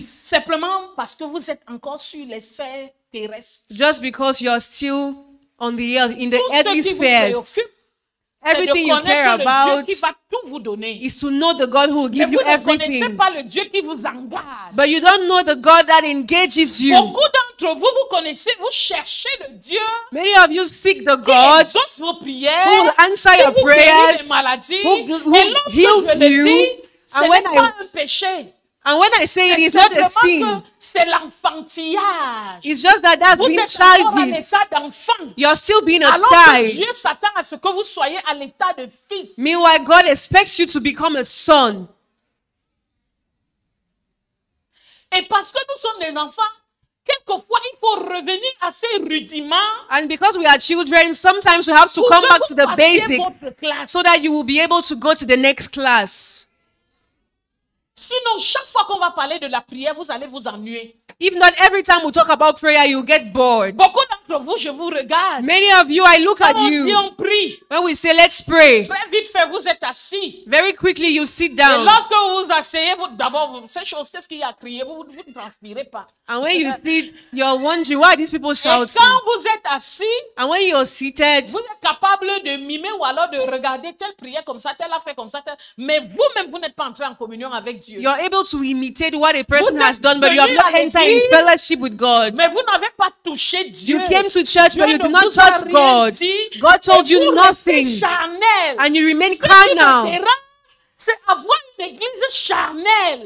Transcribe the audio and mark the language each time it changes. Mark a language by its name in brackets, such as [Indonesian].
[French] Simplement parce que vous êtes encore sur les sphères terrestres. [English] Just because you're still on the earth, in the earthly spheres. Everything you care about is to know the God who will give you everything. [French] Mais vous ne connaissez pas le Dieu qui vous engage. [English] But you don't know the God that engages you. [French] Beaucoup d'entre vous, vous connaissez, vous cherchez le Dieu. [English] Many of you seek the God [French] qui exauce vos prières, [English] who will answer your prayers, [French] maladies, [English] who heals you. And when I say it, it's not a sin. [French] C'est l'enfantillage. [English] It's just that that's [French] vous [English] being childish. You're still being a [French] alors [English] child. [French] Que Dieu s'attend à ce que vous soyez à l'état de fils. [English] Meanwhile, God expects you to become a son. [French] Et parce que nous sommes des enfants, quelquefois il faut revenir à ces rudiments. [English] And because we are children, sometimes we have to come back to the basics so that you will be able to go to the next class. [French] Sinon, chaque fois qu'on va parler de la prière, vous allez vous ennuyer. [English] If not every time we talk about prayer, you get bored. [French] Beaucoup d'entre vous, je vous regarde. [English] Many of you, I look [French] quand [English] at you. [French] Quand on prie, [English] when we say let's pray, [French] très vite fait, vous êtes assis. [English] Very quickly, you sit down. [French] Et lorsque vous vous asseyez, vous d'abord, ces choses, qu'est-ce qu'il y a à crier, vous ne transpirez pas. [English] And when you sit, you're wondering why are these people shouting. [French] Et quand vous êtes assis, [English] and when you're seated, [French] vous êtes capable de mimer ou alors de regarder telle prière comme ça, telle a fait comme ça, telle. Mais vous-même, vous n'êtes pas entré en communion avec Dieu. [English] You're able to imitate what a person has done, but you have not entered in fellowship with God. [French] Mais vous n'avez pas touché Dieu. [English] You came to church, [French] Dieu [English] but you did not touch God. God told you nothing. And you remain carnal. [French] C'est avoir une église charnelle.